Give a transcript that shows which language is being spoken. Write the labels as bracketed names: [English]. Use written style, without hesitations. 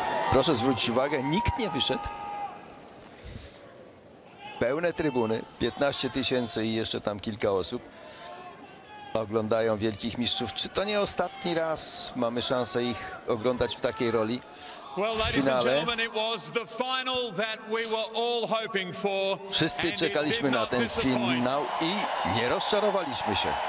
[Polish] Proszę zwrócić uwagę, nikt nie wyszedł. Pełne trybuny, 15 tysięcy i jeszcze tam kilka osób oglądają wielkich mistrzów. Czy to nie ostatni raz mamy szansę ich oglądać w takiej roli? [English] Well, ladies and gentlemen, it was the final that we were all hoping for. [Polish] Wszyscy czekaliśmy na ten finał i nie rozczarowaliśmy się.